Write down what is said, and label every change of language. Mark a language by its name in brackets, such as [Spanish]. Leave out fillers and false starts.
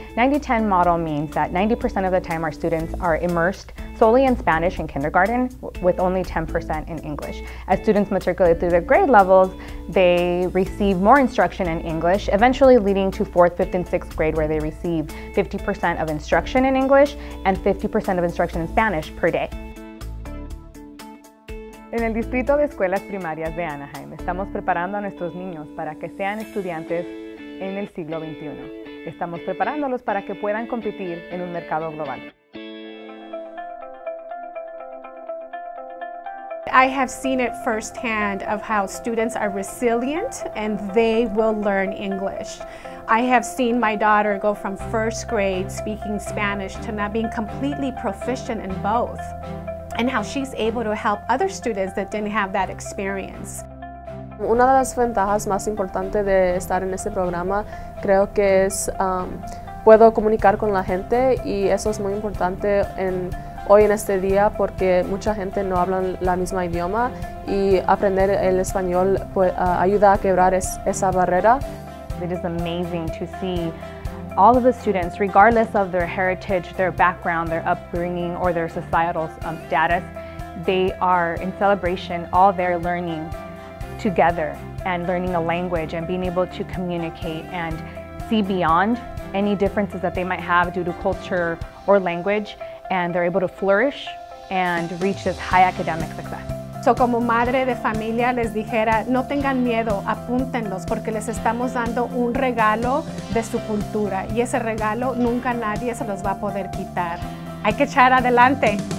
[English] 90-10 model means that 90% of the time our students are immersed solely in Spanish in kindergarten, with only 10% in English. As students matriculate through their grade levels, they receive more instruction in English, eventually leading to fourth, fifth, and sixth grade, where they receive 50% of instruction in English and 50% of instruction in Spanish per day. [Spanish] En el Distrito de Escuelas Primarias de Anaheim, estamos preparando a nuestros niños para que sean estudiantes en el siglo XXI. Estamos preparándolos para que puedan competir en un mercado global. [English] I have seen it firsthand of how students are resilient and they will learn English. I have seen my daughter go from first grade speaking Spanish to now being completely proficient in both, and how she's able to help other students that didn't have that experience. [Spanish] Una de las ventajas más importantes de estar en este programa creo que es puedo comunicar con la gente, y eso es muy importante en hoy en este día porque mucha gente no habla la misma idioma, y aprender el español pues, ayuda a quebrar esa barrera. [English] It is amazing to see all of the students, regardless of their heritage, their background, their upbringing, or their societal status, they are in celebration, all their learning together and learning a language and being able to communicate and see beyond any differences that they might have due to culture or language, and they're able to flourish and reach this high academic success. [Spanish] So, como madre de familia, les dijera, no tengan miedo, apúntenlos, porque les estamos dando un regalo de su cultura, y ese regalo nunca nadie se los va a poder quitar. Hay que echar adelante.